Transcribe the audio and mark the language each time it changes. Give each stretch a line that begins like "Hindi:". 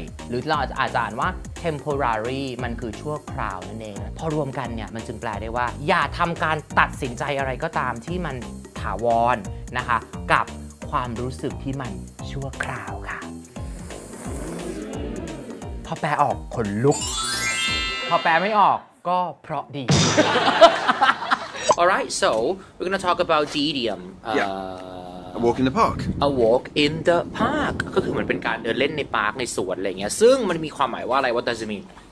Thai: หรือเราอาจจะอ่านว่า temporary มันคือชั่วคราวนั่นเองพอรวมกันเนี่ยมันจึงแปลได้ว่าอย่าทำการตัดสินใจอะไรก็ตามที่มันถาวรนะคะกับความรู้สึกที่มันชั่วคราวค่ะพอแปลออกขนลุกพอแปลไม่ออกก็เพราะดี
English: Alright, so we're going to talk about the idiom. A walk in the park. A walk in the park.
Thai: ก็คือเหมือนเป็นการเดินเล่นในปาร์คในสวนอะไรเงี้ยซึ่งมันมีความหมายว่าอะไร
English: What does it mean?